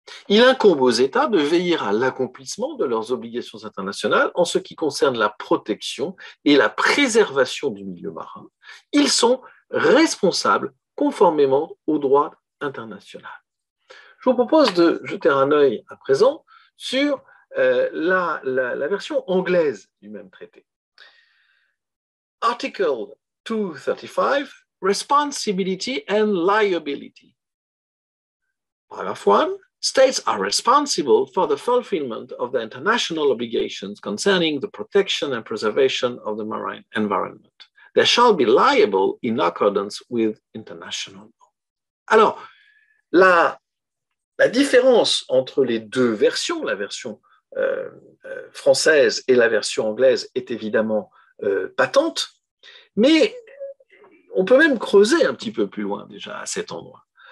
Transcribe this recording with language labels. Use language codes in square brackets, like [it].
[fr] Il incombe aux États de veiller à l'accomplissement de leurs obligations internationales en ce qui concerne la protection et la préservation du milieu marin. Ils sont responsables conformément au droit international. Je vous propose de jeter un œil à présent sur la version anglaise du même traité. [en] Article 235, Responsibility and Liability. Paragraphe 1. States are responsible for the fulfillment of the international obligations concerning the protection and preservation of the marine environment. They shall be liable in accordance with international law. [fr] Alors, la différence entre les deux versions, la version française et la version anglaise, est évidemment patente, mais on peut même creuser un petit peu plus loin déjà à cet endroit.